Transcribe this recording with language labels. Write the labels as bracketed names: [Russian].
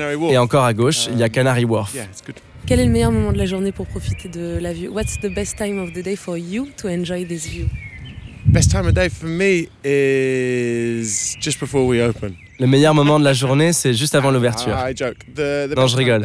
[French] Et encore à gauche, il y a Canary Wharf. Quel est le meilleur moment de la journée pour profiter de la vue? [English] What's the best time of the day for you to enjoy this view? Best time of day for me is just before we open. [French] Le meilleur moment de la journée, c'est juste avant l'ouverture. Non, je rigole.